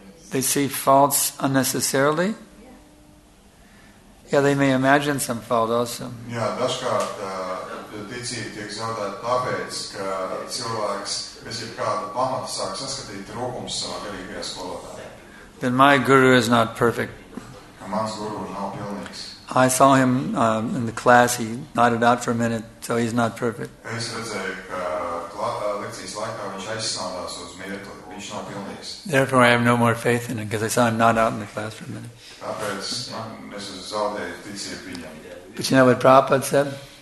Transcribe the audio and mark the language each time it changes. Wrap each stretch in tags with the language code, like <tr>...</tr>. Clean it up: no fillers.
<en>They see faults unnecessarily. Yeah, they may imagine some fault also.</en> <lv>Yeah, dažkārt ticība tiek zaudēta tāpēc, ka cilvēks bez jebkāda pamata sāk saskatīt trūkumus savā garīgajā skolotājā.</lv> <en>Then my guru is not perfect.</en> <lv>Mans guru nav pilnīgs.</lv> <en>I saw him in the class, he nodded out for a minute, so he's not perfect.</en> <lv>Es redzēju, ka lekcijas laikā viņš aizsnaudās uz mirkli.</lv> <en>Therefore, I have no more faith in him because I saw him not out in the class for a minute. But you know what Prabhupada said?</en>